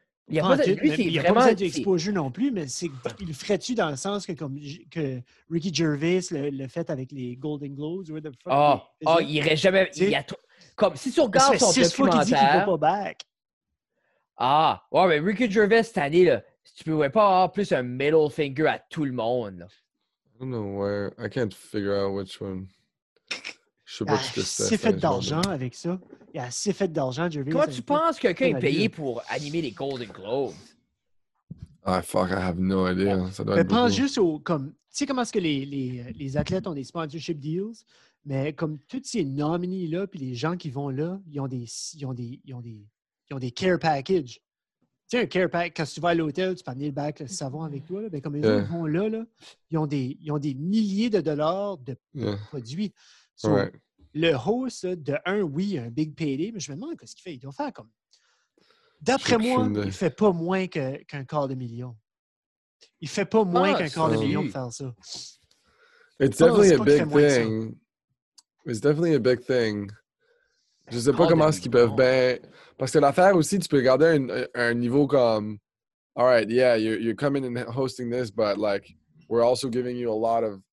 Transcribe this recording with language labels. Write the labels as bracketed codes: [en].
[fr] Il n'y a pas besoin d'exposure non plus, mais c'est, il le ferait-tu dans le sens que comme que Ricky Gervais le fait avec les Golden Globes? [en] Where the fuck [fr] oh, il n'irait jamais... Il y a tout, comme, si tu regardes son documentaire... Qu'il dit qu'il pas back. Ah, ouais, mais Ricky Gervais, cette année, là, tu ne pouvais pas avoir plus un middle finger à tout le monde. Là. [en] I don't know where. I can't figure out which one. [fr] Je sais pas si c'est ça. C'est fait d'argent avec ça. Il y a assez fait d'argent, Gervais. Comment tu penses que quelqu'un est payé pour animer les Golden Globes? [en] Ah, fuck, I have no idea. Ouais. [fr] Ça doit mais être pense juste au... Comme, tu sais comment est-ce que les athlètes ont des sponsorship deals? Mais comme tous ces nominees-là puis les gens qui vont là, ils ont des care packages. Tu sais, un care pack, quand tu vas à l'hôtel, tu peux amener le bac, le savon avec toi. Là, ben, comme ils vont là, là ils ont des milliers de dollars de produits. [en] So, right. [fr] Le host, là, de un, oui, un big payday, mais je me demande qu'est-ce qu'il fait. Il doit faire comme... D'après moi, il ne fait pas moins qu'un quart de million. Il ne fait pas moins qu'un quart de million de faire ça. [en] It's definitely a big thing. It's definitely a big thing. [fr] Je ne sais pas comment est-ce qu'ils peuvent... Ben, parce que l'affaire aussi, tu peux regarder un niveau comme... [en] All right, yeah, you're coming and hosting this, but like, we're also giving you a lot of...